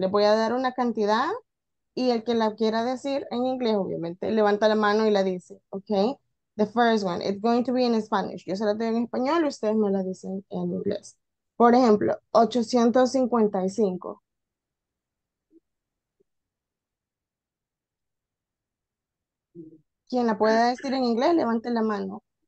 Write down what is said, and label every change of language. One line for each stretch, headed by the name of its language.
Spanish: Les voy a dar una cantidad y el que la quiera decir en inglés, obviamente, levanta la mano y la dice, ¿ok?
English: The first one, it's going to be in Spanish.
Spanish: Yo se la doy en español y ustedes me la dicen en inglés. Por ejemplo, 855. Quien la pueda decir en inglés, levante la mano.